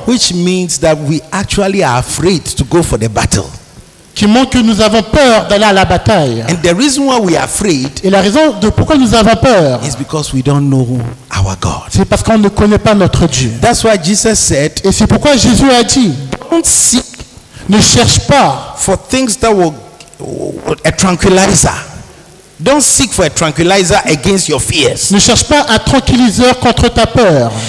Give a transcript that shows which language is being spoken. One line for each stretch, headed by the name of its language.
English: Which means that we actually are afraid to go for the battle.
French: Qui montre que nous avons peur d'aller à la bataille.
English: And the reason why we are afraid.
French: Et la raison de pourquoi nous avons peur.
English: Is because we don't know our God.
French: C'est parce qu'on ne connaît pas notre Dieu.
English: That's why Jesus said.
French: Et c'est pourquoi Jésus a dit.
English: Don't seek.
French: Ne cherche pas.
English: For things that will a tranquilizer. Don't seek for a tranquilizer against your fears.
French: Ne cherche pas un tranquilliseur contre ta peur.